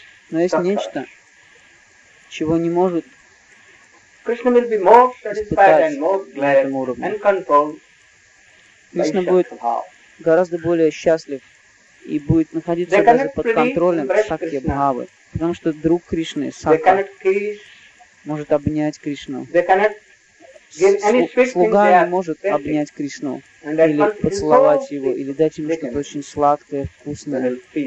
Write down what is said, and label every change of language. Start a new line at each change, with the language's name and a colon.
Russian: Но есть нечто, чего не может
English: Krishna will be more satisfied and more glad and controlled.
Russian: Кришна будет гораздо более счастлив и будет находиться даже под контролем Сакья Бхавы, потому что друг Кришны, Сакья, может обнять Кришну. Слуга не может обнять Кришну или поцеловать его, или дать ему что-то очень сладкое, вкусное.